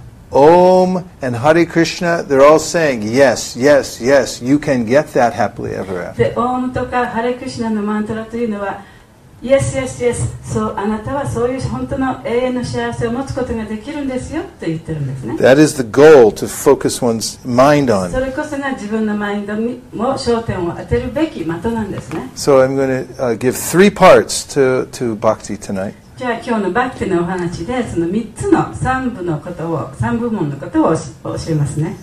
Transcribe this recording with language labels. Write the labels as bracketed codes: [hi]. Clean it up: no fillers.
[en] Om and Hare Krishna, they're all saying, yes, yes, yes, you can get that happily ever after. [ja] The Om とか Hare Krishna のマントラというのは、 [en] yes, yes, yes, so [ja] あなたはそういう本当の永遠の幸せを持つことができるんですよと言ってるんですね。 [en] That is the goal to focus one's mind on. [ja] それこそが自分のマインドにも焦点を当てるべき的なんですね。 [en] So I'm going to give three parts to bhakti tonight. [ja] じゃあ今日のバクティのお話でその3つの3部のことを3部門のことを教えますね。